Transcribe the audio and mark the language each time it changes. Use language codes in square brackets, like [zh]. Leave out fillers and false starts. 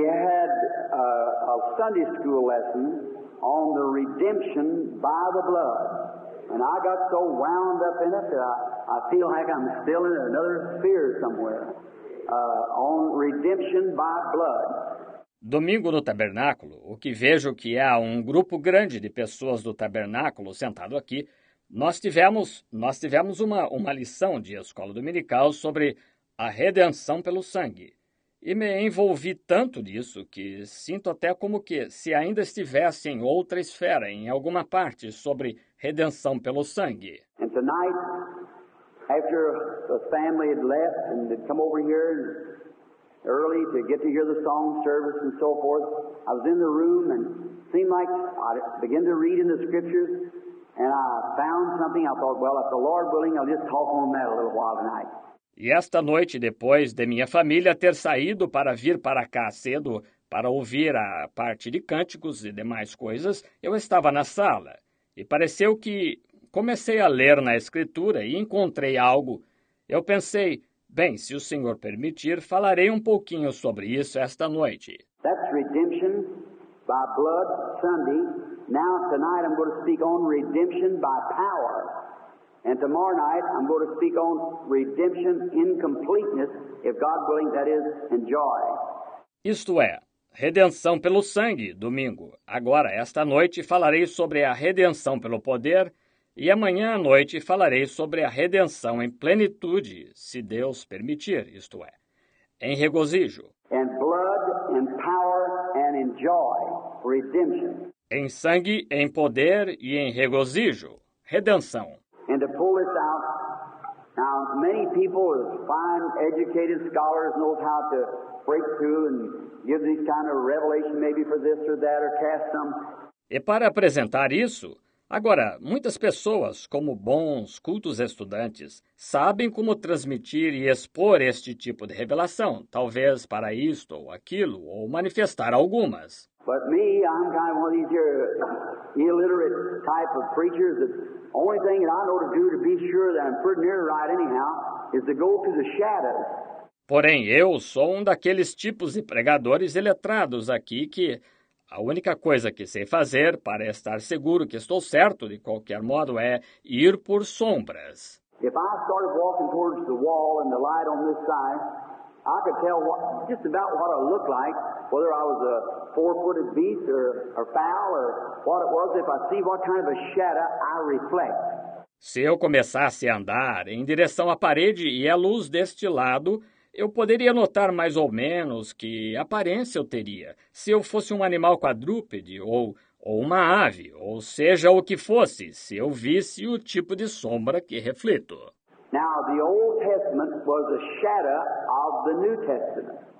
[en] We had a Sunday school lesson on the redemption by the blood. And I got so wound up in it that I feel like I'm still in another sphere somewhere. On redemption by blood. [pt] Domingo no tabernáculo, o que vejo que há um grupo grande de pessoas do tabernáculo sentado aqui, nós tivemos uma lição de escola dominical sobre a redenção pelo sangue. E me envolvi tanto nisso que sinto até como que se ainda estivesse em outra esfera, em alguma parte, sobre redenção pelo sangue. E hoje, [en] after the family had left and had come over here early to get to hear the song service and so forth, I was in the room and seemed like I began to read in the scriptures and I found something. I thought, well, if the Lord willing, I'll just talk on that a little while tonight. [pt] E esta noite, depois de minha família ter saído para vir para cá cedo para ouvir a parte de cânticos e demais coisas, eu estava na sala e pareceu que comecei a ler na escritura e encontrei algo. Eu pensei, bem, se o Senhor permitir, falarei um pouquinho sobre isso esta noite. [en] That's redemption by blood Sunday. Now tonight I'm going to speak on redemption by power. And tomorrow night I'm going to speak on redemption in completeness, if God willing, that is, in joy. [pt] Isto é, redenção pelo sangue, domingo. Agora, esta noite, falarei sobre a redenção pelo poder e amanhã à noite falarei sobre a redenção em plenitude, se Deus permitir, isto é, em regozijo. [en] In blood, in power, and in joy. Redemption. [pt] Em sangue, em poder e em regozijo. Redenção. [en] And to pull this out, now many people, fine educated scholars, know how to break through and give these kind of revelation maybe for this or that or cast some. [pt] E para apresentar isso, Agora, muitas pessoas, como bons, cultos estudantes, sabem como transmitir e expor este tipo de revelação, talvez para isto ou aquilo, ou manifestar algumas. [en] But me, I'm kind of one of these here illiterate type of preachers. The only thing that I know to do to be sure that I'm pretty near right anyhow is to go to the shadow. [pt] Porém, eu sou um daqueles tipos de pregadores iletrados aqui que a única coisa que sei fazer para estar seguro que estou certo de qualquer modo é ir por sombras. [en] If I started walking towards the wall and the light on this side, I could tell what, just about what I looked like, whether I was a four-footed beast or fowl or what it was, if I see what kind of a shadow I reflect. [pt] Se eu começasse a andar em direção à parede e à luz deste lado, eu poderia notar mais ou menos que aparência eu teria, se eu fosse um animal quadrúpede ou uma ave, ou seja o que fosse, se eu visse o tipo de sombra que reflito. [en] Now, the Old Testament was a shadow of the New Testament.